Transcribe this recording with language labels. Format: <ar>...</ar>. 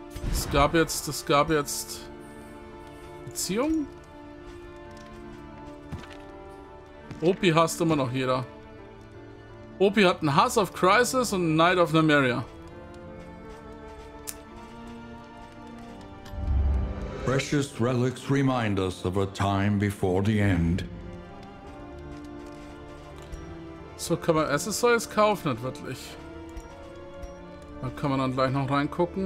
<de>Das gab jetzt. Beziehung? Opi hasst immer noch jeder. Opi hat einen Hass auf Crisis und einen Knight of Namiria.</de> <en>Precious relics remind us of a time before the end.</en> <de>So kann man Accessoires kaufen, nicht wirklich. Da kann man dann gleich noch reingucken.</de>